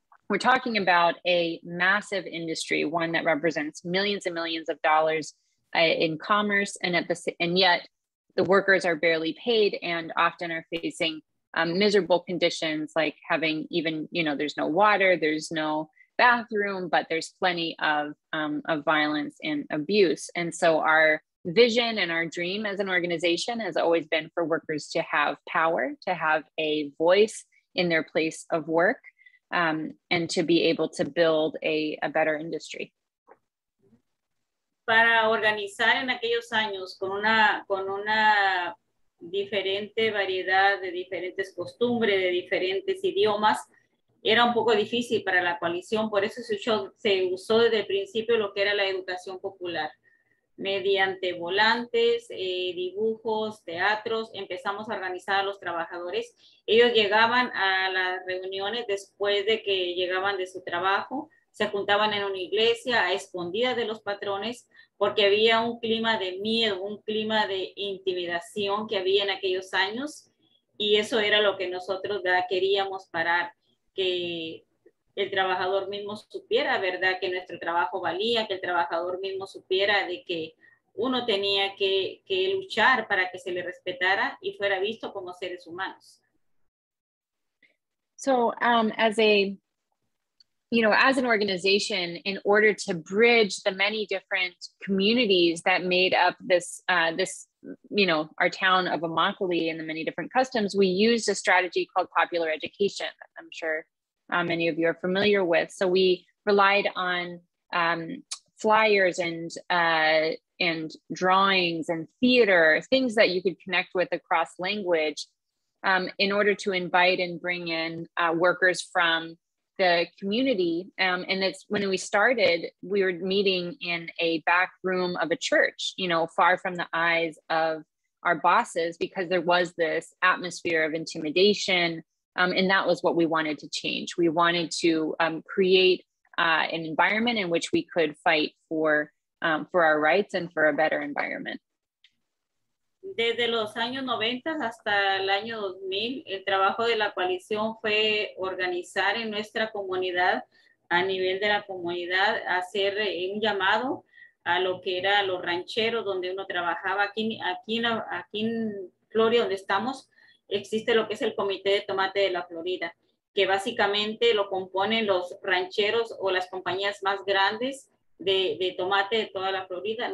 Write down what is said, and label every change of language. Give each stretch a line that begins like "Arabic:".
English: We're talking about a massive industry, one that represents millions and millions of dollars in commerce, and yet the workers are barely paid and often are facing miserable conditions, like having even, you know, there's no water, there's no bathroom, but there's plenty of violence and abuse. And so our vision and our dream as an organization has always been for workers to have power, to have a voice in their place of work, and to be able to build a better industry.
Spanish: Para organizar en aquellos años con una diferente variedad de diferentes costumbres, de diferentes idiomas, era un poco difícil para la coalición. Por eso se usó desde el principio lo que era la educación popular. Mediante volantes, dibujos, teatros, empezamos a organizar a los trabajadores. Ellos llegaban a las reuniones después de que llegaban de su trabajo, se juntaban en una iglesia a escondidas de los patrones, porque había un clima de miedo, un clima de intimidación que había en aquellos años, y eso era lo que nosotros queríamos parar, que el trabajador mismo supiera, ¿verdad?, que nuestro trabajo valía, que el trabajador mismo supiera de que uno tenía que luchar para que se le respetara y fuera visto como seres humanos.
English: So, as an organization, in order to bridge the many different communities that made up this, our town of Immokalee and the many different customs, we used a strategy called popular education. I'm sure many of you are familiar with. So we relied on flyers and drawings and theater, things that you could connect with across language, in order to invite and bring in workers from the community. And it's when we started, we were meeting in a back room of a church, far from the eyes of our bosses, because there was this atmosphere of intimidation. And that was what we wanted to change. We wanted to create an environment in which we could fight for our rights and for a better environment.
Spanish: Desde los años 90 hasta el año 2000, el trabajo de la coalición fue organizar en nuestra comunidad, a nivel de la comunidad, hacer un llamado a lo que era los rancheros donde uno trabajaba. Aquí en Florida, donde estamos, existe lo que es el Comité de Tomate de la Florida, que básicamente lo componen los rancheros o las compañías más grandes de tomate de toda la Florida.